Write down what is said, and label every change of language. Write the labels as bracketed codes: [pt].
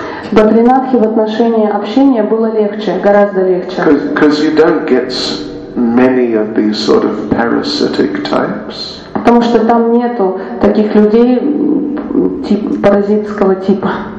[ru] В Бадринатхе в отношении общения было легче, гораздо легче. [en] Because you don't get many of these sort of parasitic types. [ru] Потому что там нету таких людей типа паразитского типа.